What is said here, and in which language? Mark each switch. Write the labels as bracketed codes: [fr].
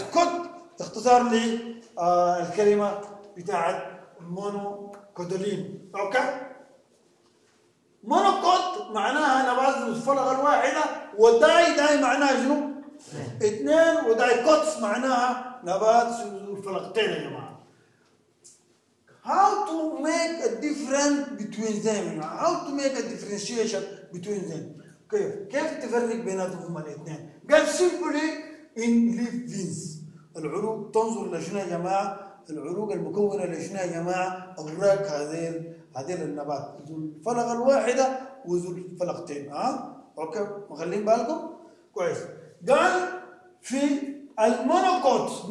[ar] كوت اختصار لي الكلمة بتاعت مونوكوتولين. أوكي؟ مونوكوت معناها نبات ذو الفلغة الواحدة وداي داي معناها شنو؟ اثنين. وداي كوتس معناها نبات ذو الفلغتين يا جماعة. [en] How to make a difference between them؟ How to make a differentiation between them؟ [ar] كيف تفرق بيناتهم الاثنين؟ قال [en] simply in leaf veins. [ar] العروق تنظر لشنو يا جماعة؟ العروق المكونة لشنو يا جماعة؟ أوراق هذيل هذيل النبات ذو الفلغة الواحدة وذو الفلغتين. ها؟ اوكي؟ مخلين بالكم؟ كويس. قال في المونوكوت.